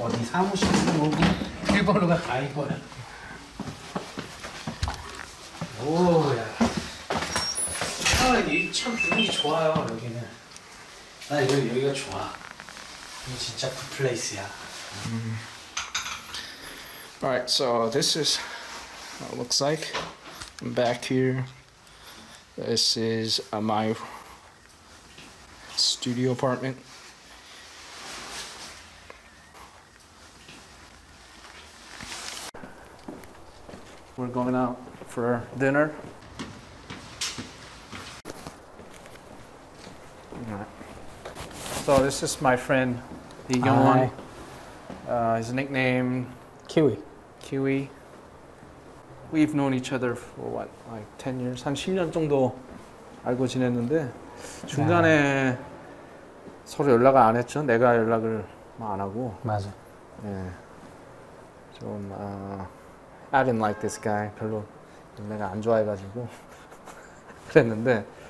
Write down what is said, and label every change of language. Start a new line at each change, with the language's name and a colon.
Korean: 어디 사무실도 오고 비밀번호가 다 이거야. 오야, 아, 여기 참 분위기 좋아요. 여기는 나 여기가 좋아. 이거 진짜 굿플레이스야.
English: Alright, so this is what it looks like. I'm back here. This is my studio apartment. We're going out for dinner. So this is my friend, Lee Kyung-won. His nickname, Kiwi. Kiwi. We've known each other for what, like 10 years?
Korean: 한 10년 정도 알고 지냈는데 중간에 서로 연락을 안 했죠. 내가 연락을 안 하고. 맞아. 예. 좀,
English: I didn't like this guy.
Korean: 별로 내가 안 좋아해가지고 그랬는데.